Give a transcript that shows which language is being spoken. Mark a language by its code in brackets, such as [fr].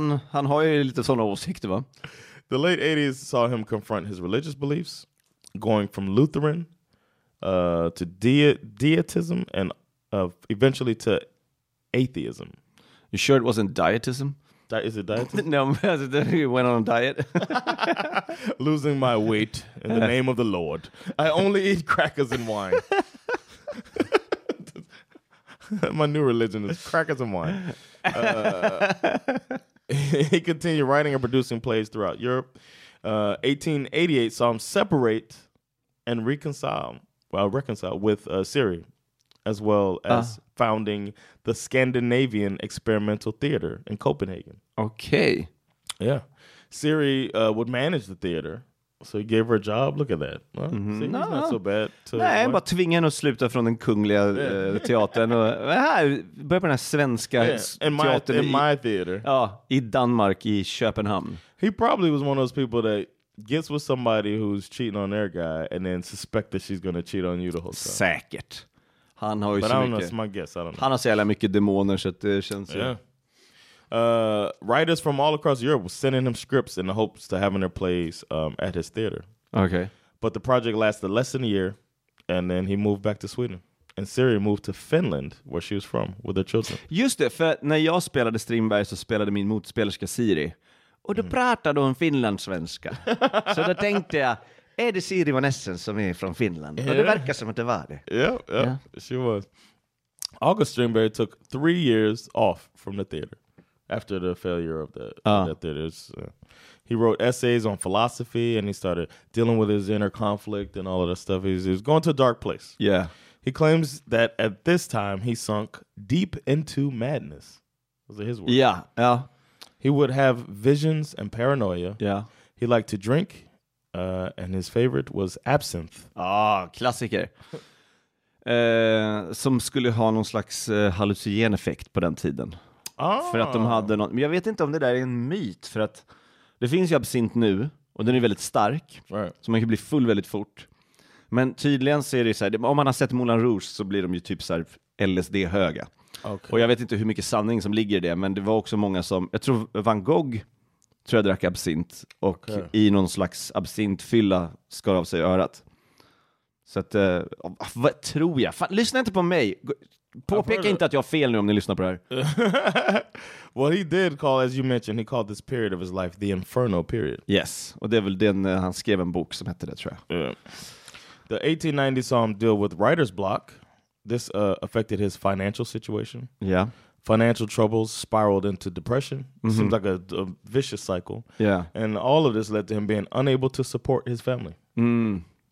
[sv] han har ju lite sådana åsikter, va? [en] The late 80s saw him confront his religious beliefs, going from Lutheran to deism and eventually to atheism. You sure it wasn't dietism? Is it dietism? No, he went on a diet. Losing my weight in the name of the Lord. I only eat crackers and wine. My new religion is crackers and wine. He continued writing and producing plays throughout Europe. 1888 saw him separate and reconcile with Siri, as well as founding the Scandinavian Experimental Theater in Copenhagen. Okay. Yeah. Siri would manage the theater. So he gave her a job. Look at that. Well, mm-hmm. See, no. Not so bad. [sv] Nej, bara tvinga henne att sluta från den kungliga teatern. Och, här, börja på den här svenska teatern. [en] In my theater. [sv] Ja, i Danmark, i Köpenhamn. [en] He probably was one of those people that gets with somebody who's cheating on their guy and then suspect that she's going to cheat on you the whole time. [sv] Säkert. Han har ju [en] but [sv] så [en] I don't [sv] mycket. [en] Know, it's my guess. I don't know. [sv] Han har så jävla mycket demoner så det känns ju. [en] Writers from all across Europe were sending him scripts in the hopes to having their plays at his theater. Okay. But the project lasted less than a year, and then he moved back to Sweden. And Siri moved to Finland, where she was from, with her children. [sv] Just det, för när jag spelade Strindberg så spelade min motspelerska Siri. Och då pratade hon finlandssvenska. Så då tänkte jag, är det Siri von Essen som är från Finland? Yeah. Och det verkar som att det var det. [en] Yeah. She was. August Strindberg took 3 years off from the theater. After the failure of that theaters, he wrote essays on philosophy and he started dealing with his inner conflict and all of that stuff. He's going to a dark place. Yeah. He claims that at this time he sunk deep into madness. Those are his words. Yeah. Yeah. He would have visions and paranoia. Yeah. He liked to drink and his favorite was absinthe. [sv] Ah, klassiker. Som skulle ha någon slags hallucinogen effekt på den tiden. För att de hade något. Men jag vet inte om det där är en myt. För att det finns ju absint nu. Och den är väldigt stark. [en] Right. [sv] Så man kan bli full väldigt fort. Men tydligen så är det så här. Om man har sett Moulin Rouge så blir de ju typ så här LSD-höga. [en] Okay. [sv] Och jag vet inte hur mycket sanning som ligger i det. Men det var också många som. Jag tror Van Gogh tror jag drack absint. Och okay. I någon slags absintfylla skar av sig örat. Så att, vad tror jag? Fan, lyssna inte på mig. Påpeka inte att jag har fel nu om ni lyssnar på det här. [en] What he did call, as you mentioned, he called this period of his life the Inferno period. [sv] Yes, och det är väl den han skrev en bok som hette det, tror jag. [en] Yeah. The 1890s saw him deal with writer's block. This affected his financial situation. Yeah. Financial troubles spiraled into depression. Mm-hmm. Seems like a vicious cycle. Yeah. And all of this led to him being unable to support his family. Mm.